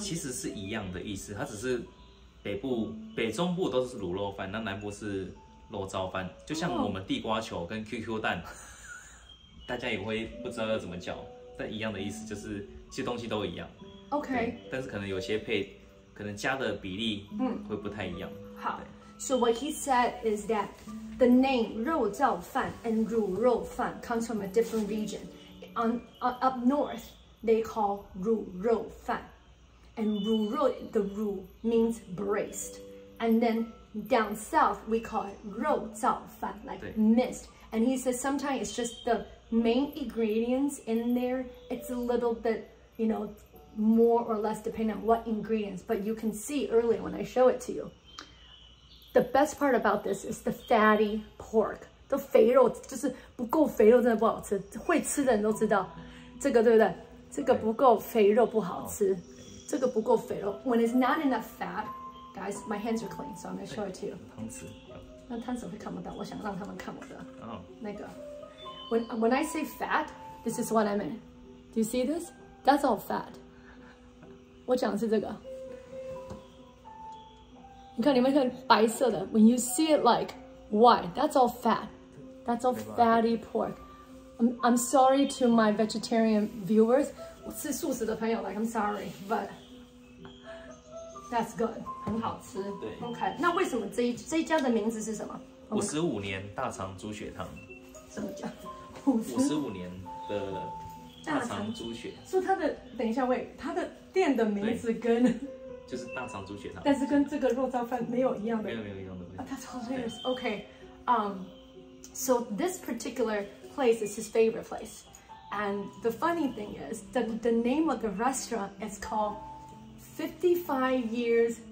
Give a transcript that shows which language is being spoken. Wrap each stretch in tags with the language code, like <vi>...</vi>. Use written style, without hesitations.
<zh>其实是一样的意思它只是北中部都是卤肉饭，那南部是肉燥饭，就像我们地瓜球跟 QQ 蛋，大家也会不知道要怎么叫，但一样的意思就是这些东西都一样。</zh> <en>OK，</en> <zh>但是可能有些配，可能加的比例会不太一样。</zh> <en>好 ，So what he said is that the name 肉燥饭 and 卤肉饭 comes from a different region. On up north, they call 卤肉饭。 And Ruru, the Ru means braced. And then down south, we call it Rou Zao Fan, like mist. And he says sometimes it's just the main ingredients in there. It's a little bit, you know, more or less depending on what ingredients. But you can see earlier when I show it to you. The best part about this is the fatty pork.</en> <zh>都肥肉就是不够肥肉真的不好吃，会吃的人都知道，这个对不对？这个不够肥肉不好吃，这个不够肥肉。</zh> <en>When it's not enough fat, guys, my hands are clean, so I'm gonna show it to you.</en> <zh>汤匙，那汤匙会看不到，我想让他们看我的。</zh> <en>那个 ，When I say fat, this is what I mean. Do you see this? That's all fat.</en> <zh>我讲的是这个。你看里面看白色的</zh> <en>，When you see it like. Why? That's all fat. That's all fatty pork. I'm sorry to my vegetarian viewers.</en> <zh>我吃素食的朋友</zh> <en>like I'm sorry, but that's good.</en> <zh>很好吃。对。</zh> <en>OK.</en> <zh>那为什么这一家的名字是什么？五十五年大肠猪血汤。什么叫五十五年的大肠猪血？所以它的等一下 wait, 它的店的名字跟就是大肠猪血汤，但是跟这个肉燥饭没有一样的。没有没有一样的。</zh> <en>That's hilarious. Okay, so this particular place is his favorite place. And the funny thing is, the name of the restaurant is called 55 Years...</en>